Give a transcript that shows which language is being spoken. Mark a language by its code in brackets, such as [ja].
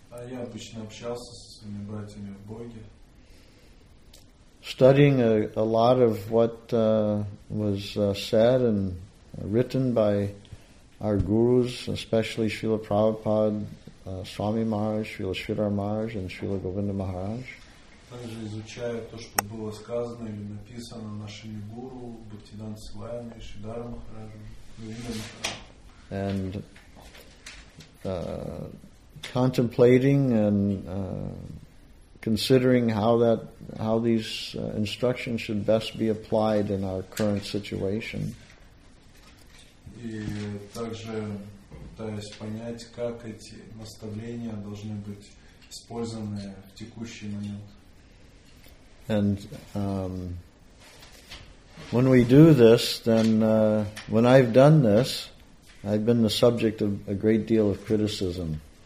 [ru] Я обычно общался со своими братьями в Боге. [en] Studying a lot of what was said and written by our gurus, especially Srila Prabhupada, Swami Maharaj, Srila Sridhar Maharaj, and Srila Govinda Maharaj. [ru] Также изучая то, что было сказано или написано нашими гуру, Бхактивиданта Свами, Шридхара Махараджа, Говинда Махараджа. [en] And contemplating and considering how these instructions should best be applied in our current situation. [ru] И также пытаюсь понять, как эти наставления должны быть использованы в текущий момент. [en] And when we do this, then when I've done this, I've been the subject of a great deal of criticism.